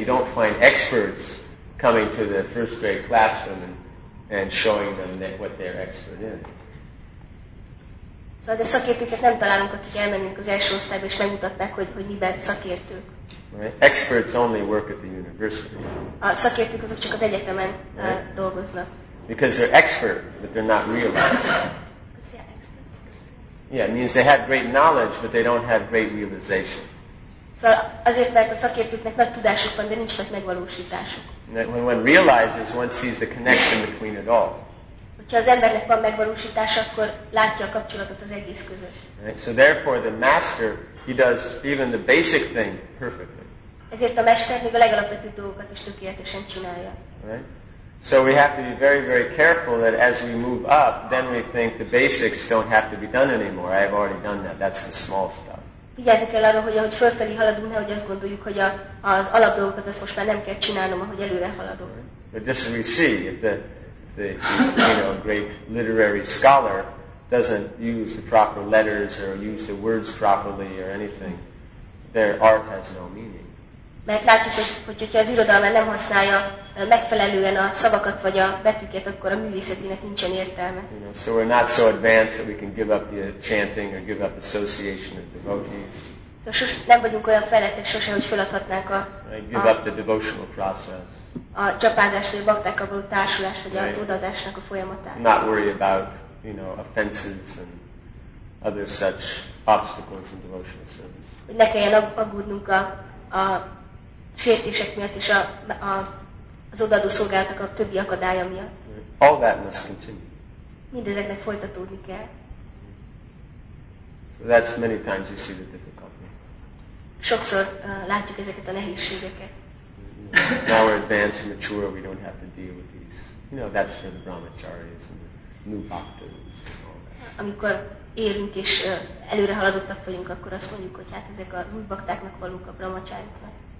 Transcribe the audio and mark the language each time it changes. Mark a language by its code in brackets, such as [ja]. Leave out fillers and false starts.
[en] You don't find experts coming to the first grade classroom and showing them that what they're expert in. [hu] So the szakértőket nem találunk, akik elmennek az első osztályba és megmutatnák, hogy miben szakértők. [en] Right. Experts only work at the university. [hu] A szakértők azok csak az egyetemen dolgoznak. [en] Because they're expert, but they're not real. Yeah, it means they have great knowledge, but they don't have great realization. [hu] Szóval azért, mert a szakértőknek nagy tudásuk van, de nincs nagy megvalósításuk. [en] When one realizes, one sees the connection between it all. [hu] Hogyha az embernek van megvalósítása, akkor látja a kapcsolatot az egész között. [en] Right? So therefore the master, he does even the basic thing perfectly. [hu] Ezért a mester még a legalapvetőbb dolgokat is tökéletesen csinálja. [en] Right? So we have to be very, very careful that as we move up, then we think the basics don't have to be done anymore. I have already done that. That's the small stuff. [hu] Vigyázni kell arra, hogy ahogy fölfelé haladunk, nehogy azt gondoljuk, hogy az alap dolgokat azt most már nem kell csinálnom, ahogy előre haladok. [en] But this we see, if the you know, great literary scholar doesn't use the proper letters or use the words properly or anything, their art has no meaning. [hu] Mert látjuk, hogy az irodalmár nem használja megfelelően a szavakat vagy a betűket, akkor a művészetének nincsen értelme. [en] You know, so we're not so advanced that we can give up the chanting or give up association of devotees. [hu] So nem vagyunk olyan fejlettek sose, hogy feladhatnánk a [en] give up the devotional process. [hu] A csapázás vagy a baktákkal való társulás vagy right. Az odaadásnak a folyamatát. [en] Not worry about, you know, offenses and other such obstacles in devotional service. [hu] Ne kelljen aggódnunk a sértések miatt és az odaadó szolgálatnak a többi akadálya miatt. [en] All that must continue. [hu] Mindezeknek folytatódni kell. [en] So that's many times you see the difficulty. [hu] Sokszor látjuk ezeket a nehézségeket. [en] Now we're advanced and mature, we don't have to deal with these. You know, that's for the brahmacharis and the new bhaktas and all that. [hu] Amikor érünk és előre haladottak vagyunk, akkor azt mondjuk, hogy hát ezek az új baktáknak valók a brahmacháriknak.